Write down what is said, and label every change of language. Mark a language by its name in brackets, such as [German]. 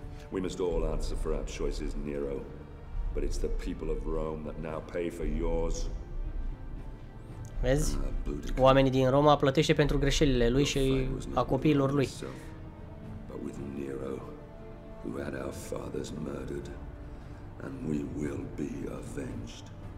[English] We must all answer for our choices, Nero. But it's the people of Rome that now pay for yours. [Romanian] Vezi? Oamenii din Roma plătește pentru greșelile lui și a copiilor lui. [English] But with Nero. Who had our fathers murdered, and we will be avenged.